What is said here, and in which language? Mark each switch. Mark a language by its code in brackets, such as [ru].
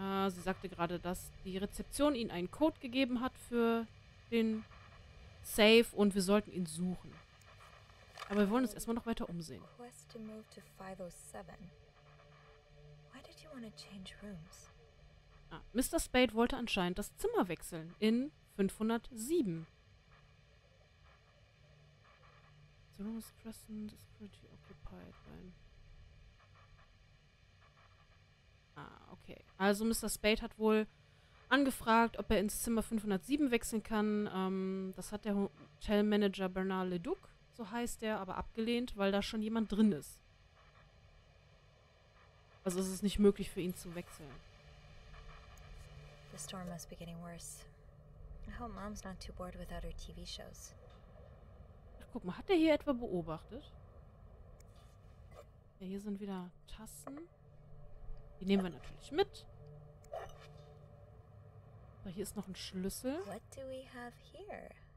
[de] Sie sagte gerade, dass die Rezeption ihnen einen Code gegeben hat für den Safe und wir sollten ihn suchen. Aber wir wollen uns erstmal noch weiter umsehen. [en] Quest to move to 507. Why did you want to change rooms? Ah, Mr. [de] Spade wollte anscheinend das Zimmer wechseln in 507. [en] The room is present, is pretty occupied. [de] Okay. Also Mr. Spade hat wohl angefragt, ob er ins Zimmer 507 wechseln kann. Das hat der Hotelmanager Bernard Leduc, so heißt er, aber abgelehnt, weil da schon jemand drin ist. Also es ist nicht möglich für ihn zu wechseln. [en] The storm must be getting worse. I hope Mom's not too bored without her TV shows. [de] Ach, guck mal, hat er hier etwa beobachtet? Ja, hier sind wieder Tassen. Die nehmen wir natürlich mit. So, hier ist noch ein Schlüssel. [en] What do we have here?